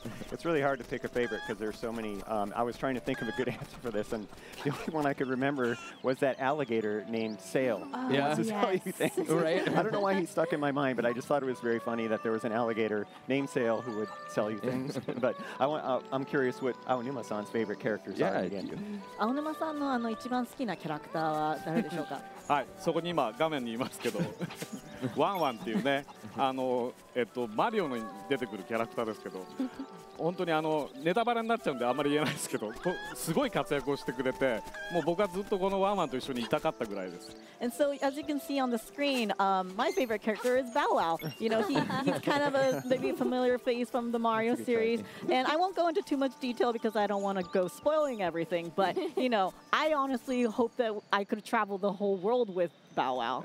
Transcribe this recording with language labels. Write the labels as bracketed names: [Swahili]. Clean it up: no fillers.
[English] It's really hard to pick a favorite because there's so many. I was trying to think of a good answer for this, and the only one I could remember was that alligator named Sale. Oh, yeah. This is how you think. Right? I don't know why he stuck in my mind, but I just thought it was very funny that there was an alligator named Sale who would sell you things. But I'm curious what Aonuma-san's favorite characters are. Yeah, you. [Japanese] Aonuma-san の一番好きな character は誰でしょうか? はい、そこに今画面にいますけど、ワンワンっていうね、マリオに出てくるキャラクターですけど、本当にネタバレになっちゃうんであんまり言えないですけど、すごい活躍をしてくれて、もう僕はずっとこのワンワンと一緒にいたかったぐらいです。 [English] And so, as you can see on the screen, my favorite character is Bow Wow. You know, he's kind of a maybe familiar face from the Mario series. And I won't go into too much detail because I don't want to go spoiling everything. But, you know, I honestly hope that I could travel the whole world with Bow Wow.